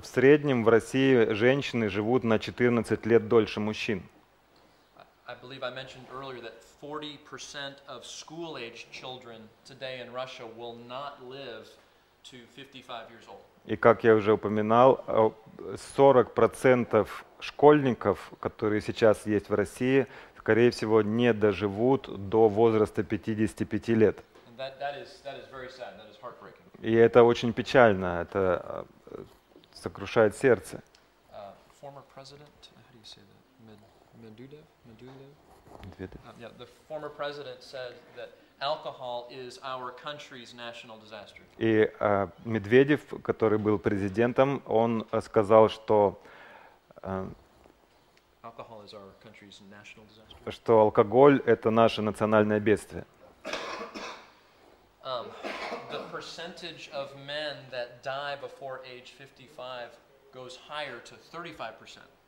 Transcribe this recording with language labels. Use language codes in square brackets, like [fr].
[ru] В среднем в России женщины живут на 14 лет дольше мужчин. [en] I believe I mentioned earlier that 40% of school-age children today in Russia will not live to 55 years old. [ru] И как я уже упоминал, 40% школьников, которые сейчас есть в России, скорее всего, не доживут до возраста 55 лет. [en] That is very sad. That is heartbreaking. [ru] И это очень печально, это сокрушает сердце. [en] Former president, how do you say that? Medvedev? Yeah, the former president said that alcohol is our country's national disaster. [ru] И Медведев, который был президентом, он сказал, что [en] alcohol is our country's national disaster. [ru] Что алкоголь — это наше национальное бедствие. [en] The percentage of men that die before age 55 goes higher to 35%.